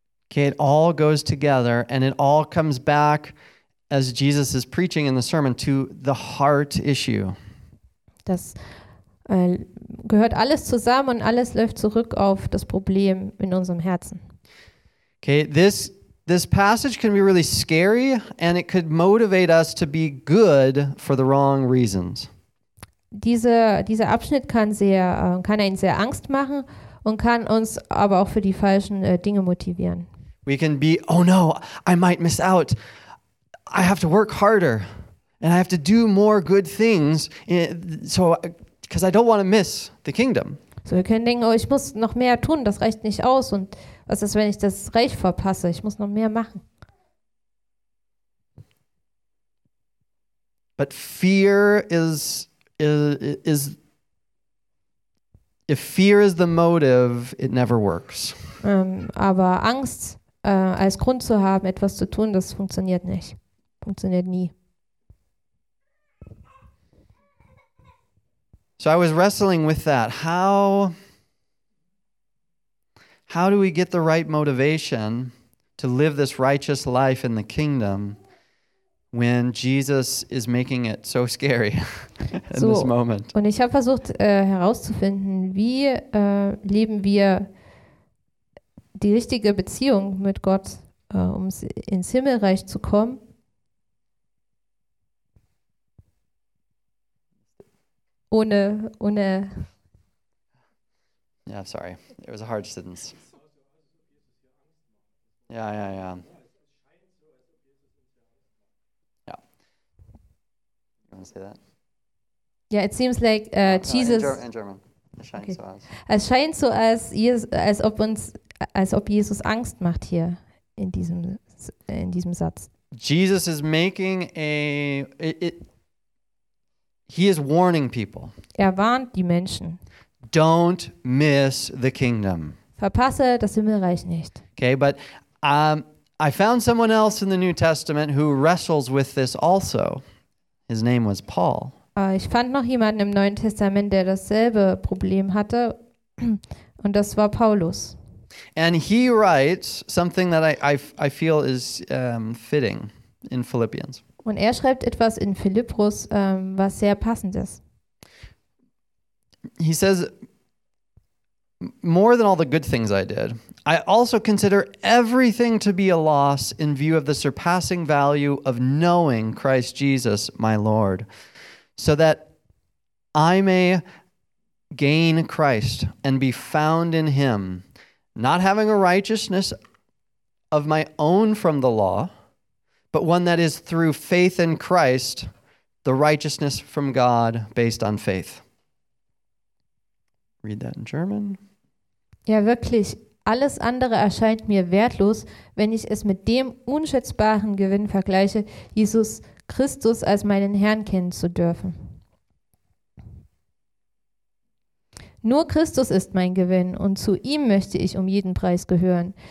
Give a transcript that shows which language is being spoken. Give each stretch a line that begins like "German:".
English: Okay, it all goes together and it all comes back, as Jesus is preaching in the sermon, to the heart issue.
German: Das gehört alles zusammen und alles läuft zurück auf das Problem in unserem Herzen.
English: Okay, this passage can be really scary and it could motivate us to be good for the wrong reasons.
German: Dieser Abschnitt kann einen sehr Angst machen und kann uns aber auch für die falschen Dinge motivieren.
English: We can be, oh no, I might miss out. I have to work harder and I have to do more good things so because I don't want to miss the kingdom.
German: So wir können denken, oh, ich muss noch mehr tun, das reicht nicht aus, und was ist, wenn ich das Reich verpasse? Ich muss noch mehr machen.
English: But fear is if fear is the motive, it never works.
German: Aber Angst als Grund zu haben, etwas zu tun, das funktioniert nicht. Funktioniert nie.
English: So I was wrestling with that. How do we get the right motivation to live this righteous life in the kingdom when Jesus is making it so scary in so, this moment?
German: Und ich habe versucht herauszufinden, wie leben wir die richtige Beziehung mit Gott, um ins Himmelreich zu kommen. Ohne.
English: Yeah, sorry. It was a hard sentence. Yeah. Yeah. You want to say that? Yeah, it seems like Jesus. In German.
German: Es scheint okay. Als ob Jesus Angst macht hier in diesem Satz.
English: Jesus is making He is warning people.
German: Er warnt die Menschen.
English: Don't miss the kingdom.
German: Verpasse das Himmelreich nicht.
English: Okay, but I found someone else in the New Testament who wrestles with this also. His name was Paul.
German: Ich fand noch jemanden im Neuen Testament, der dasselbe Problem hatte, und das war Paulus.
English: And he writes something that I feel is fitting in Philippians.
German: Und er schreibt etwas in Philippus, was sehr passend ist.
English: He says, more than all the good things I did, I also consider everything to be a loss in view of the surpassing value of knowing Christ Jesus, my Lord, so that I may gain Christ and be found in him, not having a righteousness of my own from the law, but one that is through faith in Christ, the righteousness from God based on faith. Read that in German.
German: Ja, wirklich. Alles andere erscheint mir wertlos, wenn ich es mit dem unschätzbaren Gewinn vergleiche, Jesus Christus als meinen Herrn kennen zu dürfen. Nur Christus ist mein Gewinn und zu ihm möchte ich um jeden Preis gehören.